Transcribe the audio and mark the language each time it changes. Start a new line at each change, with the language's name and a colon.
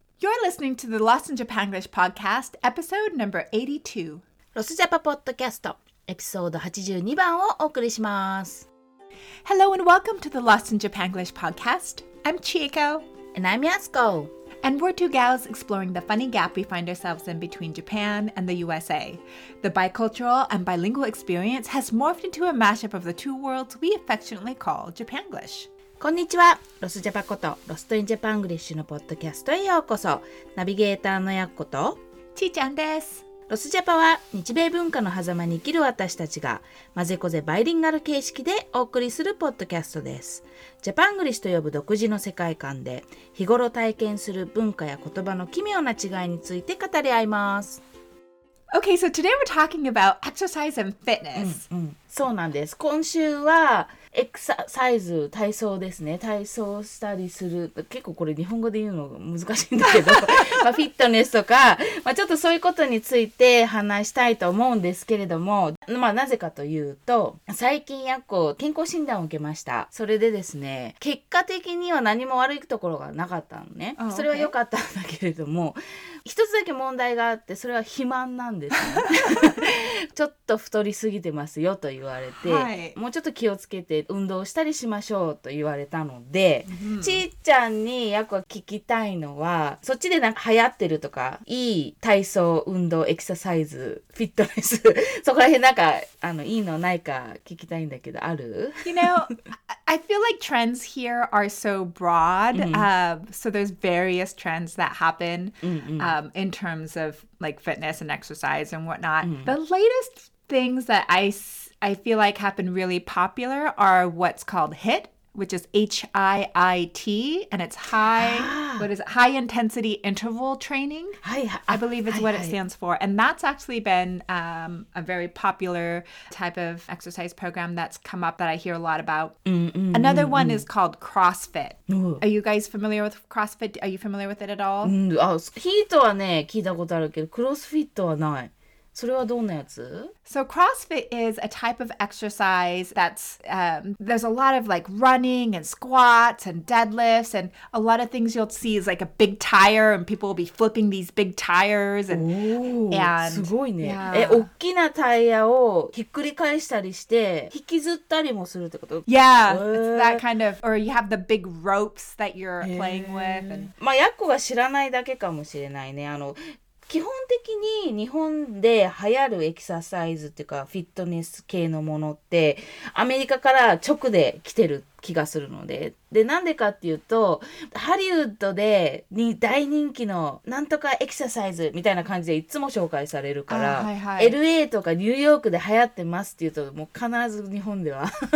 English: You're listening to the Lost in Japan English podcast, episode number 82.
Japanese: ロスジャパポッドキャスト、エピソード82番をお送りします。
English: Hello and welcome to the Lost in Japan English podcast. I'm Chieko. And I'm Yasuko. And we're two gals exploring the funny gap we find ourselves in between Japan and the USA. The bicultural and bilingual experience has morphed into a mashup of the two worlds we affectionately call Japanglish.
Japanese: こんにちは、ロスジャパことロストインジャパングリッシュのポッドキャストへようこそ。ナビゲーターのやっことちーちゃんです。ロスジャパは日米文化の狭間に生きる私たちがまぜこぜバイリンガル形式でお送りするポッドキャストです。ジャパングリッシュと呼ぶ独自の世界観で日頃体験する文化や言葉の奇妙な違いについて語り合います。
English: Okay, so today we're talking about exercise and fitness.
Japanese: そうなんです。今週はエクササイズ、体操ですね。体操したりする。結構これ日本語で言うのが難しいんだけど、まあ、フィットネスとか、まあ、ちょっとそういうことについて話したいと思うんですけれども、まあ、なぜかというと、最近やっこ健康診断を受けました。それでですね、結果的には何も悪いところがなかったのね。
English: Oh, okay.
Japanese: それは良かったんだけれども、一つだけ問題があって、それは肥満なんですね。ちょっと太りすぎてますよと言われて、はい、もうちょっと気をつけて運動したりしましょうと言われたので、ちーちゃんにやっぱ聞きたいのは、そっちでなんか流行ってるとか、いい体操、運動、エクササイズ、フィットネス、そこら辺なんかいいのないか聞きたいんだけど、ある
English: You know, I feel like trends here are so broad. So there's various trends that happen. In terms of like fitness and exercise and whatnot. The latest things that I feel like have been really popular are what's called HIIT, which is H-I-I-T, and it's high intensity interval training. I believe is what it stands for. And that's actually been a very popular type of exercise program that's come up that I hear a lot about. Another one is called CrossFit. Are you guys familiar with CrossFit? Are you familiar with it at all?
Japanese: HIIT はね、聞いたことあるけど、CrossFit はない。それはどんなやつ?
English: So CrossFit is a type of exercise that's, there's a lot of like running and squats and deadlifts and a lot of things you'll see is like a big tire and people will be flipping these big tires and,
Japanese: すごいね。え、大きなタイヤをひっくり返したりして引きずったりもするってこと?
English: Yeah, it's that kind of, or you have the big ropes that you're playing with.
Japanese: まあ、ヤッコが知らないだけかもしれないね。基本的に日本で流行るエクササイズっていうかフィットネス系のものってアメリカから直で来てる気がするので、でなんでかっていうとハリウッドでに大人気のなんとかエクササイズみたいな感じでいつも紹介されるから、LA とかニューヨークで流行ってますっていうともう必ず日本では